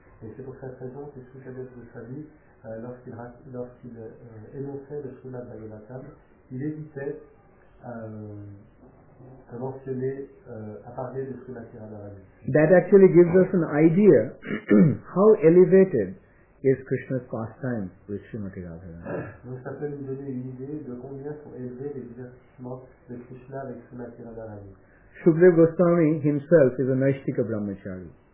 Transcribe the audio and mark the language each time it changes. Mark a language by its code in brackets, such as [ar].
[fr] Et c'est pour cette raison que Shukadev Goswami, lorsqu'il énonçait le Srimad Bhagavatam, il évitait à mentionner, à parler de Srimati Radharani. [en] That actually gives us an idea how elevated is Krishna's pastime with Srimati Radharani. [fr] Donc ça peut nous donner une idée de combien sont élevés les divertissements de Krishna avec Srimati Radharani. [en] Shukadev Goswami himself is a Naishtika Brahmachari.